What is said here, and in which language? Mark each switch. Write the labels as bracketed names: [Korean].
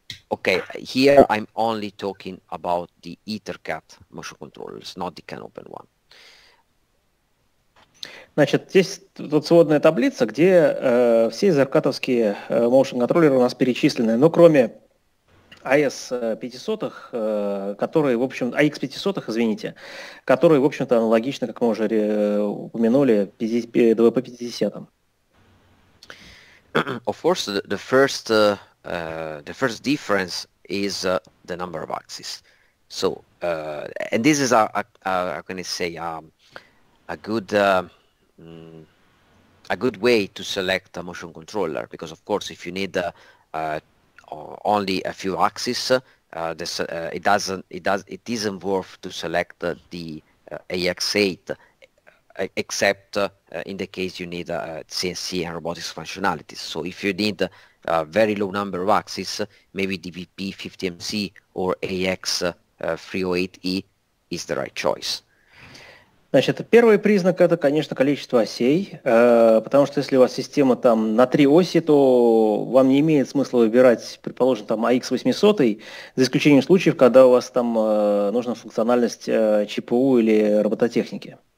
[English] Okay, here I'm only talking about the EtherCAT motion controllers, not the CANopen one. [Russian] Значит, здесь тут сводная таблица, где все EtherCAT-овские motion-контроллеры у нас перечислены, но кроме AS500, которые, в общем, AX500, извините, которые, в общем-то, аналогично, как мы уже упомянули, DVP-50. [English] Of course, the first difference is the number of axes. So, and this is a good way to select a motion controller, because of course if you need only a few axes, it isn't worth to select the AX8, except in the case you need CNC and robotics functionalities. So if you need a very low number of axes, maybe DVP-50MC or AX308E is the right choice. [Russian] Значит, первый признак – это, конечно, количество осей, потому что если у вас система там на три оси, то вам не имеет смысла выбирать, предположим, там AX800, за исключением случаев, когда у вас там нужна функциональность ЧПУ или робототехники.